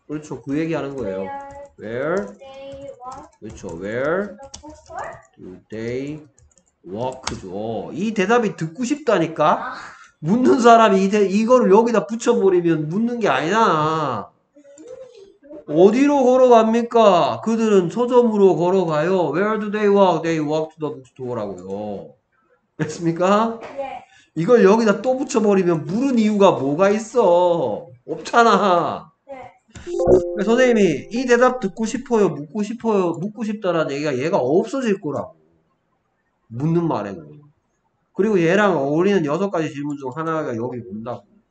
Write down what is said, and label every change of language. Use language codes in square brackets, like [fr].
[ko] 그렇죠. 그 얘기하는 거예요. [en] Where? They walk [ko] 그렇죠. [en] Where to the bookstore? do they walk죠. [ko] 이 대답이 듣고 싶다니까? 아. 묻는 사람이 이거를 여기다 붙여버리면 묻는 게 아니잖아. 어디로 걸어갑니까? 그들은 서점으로 걸어가요. [en] Where do they walk? They walk to the bookstore [ko] 라고요. 됐습니까? 예. 이걸 여기다 또 붙여버리면 물은 이유가 뭐가 있어? 없잖아. 선생님이 이 대답 듣고 싶어요, 묻고 싶어요, 묻고 싶다라는 얘기가 얘가 없어질 거라고. 묻는 말에는. 그리고 얘랑 어울리는 여섯 가지 질문 중 하나가 여기 온다고.